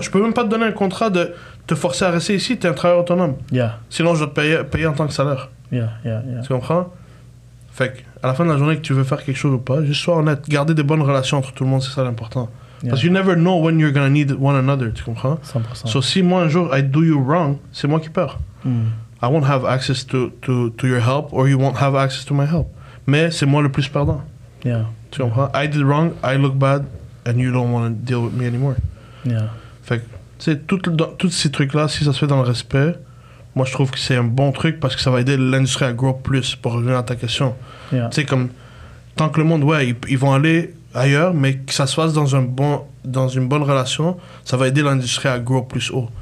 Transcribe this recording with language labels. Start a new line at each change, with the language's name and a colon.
French: Je peux même pas te donner un contrat de te forcer à rester ici. T'es un travailleur autonome.
English: Yeah.
French: Sinon, je dois te payer en tant que salaire.
English: Yeah, yeah, yeah.
French: Tu comprends? Fait que, à la fin de la journée, que tu veux faire quelque chose ou pas, juste sois honnête. Garder des bonnes relations entre tout le monde, c'est ça l'important. Parce que tu ne sais jamais quand tu vas avoir besoin l'un de l'autre, tu comprends? 100%. Donc, si moi un jour,
English: I do you wrong,
French: c'est moi qui perds. Mm.
English: I won't have access to your help, or you won't have access to my help.
French: Mais c'est moi le plus perdant.
English: Yeah.
French: Tu comprends?
English: I did wrong, I look bad, and you don't want to deal with me anymore. Yeah.
French: Fait que, tu sais, tous ces trucs-là, si ça se fait dans le respect, moi je trouve que c'est un bon truc parce que ça va aider l'industrie à grow plus, pour revenir à ta question.
English: Yeah.
French: Tu sais, comme, tant que le monde, ouais, ils vont aller ailleurs, mais que ça se fasse dans une bonne relation, ça va aider l'industrie à grow plus haut.